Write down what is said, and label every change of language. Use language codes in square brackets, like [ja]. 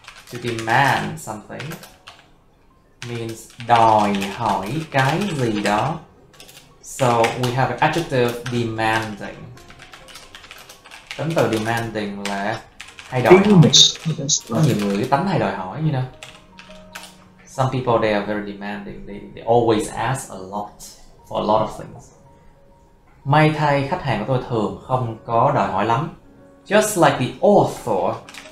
[en] To demand something means [vi] đòi hỏi cái gì đó. [en] So we have an adjective demanding. [vi] Tính từ demanding là hay đòi hỏi. Có nhiều người cái tính hay đòi hỏi, [en] you know. Some people they are very demanding. They always ask a lot for a lot of things. [vi] May thay, khách hàng của tôi thường không có đòi hỏi lắm. [en] Just like the author.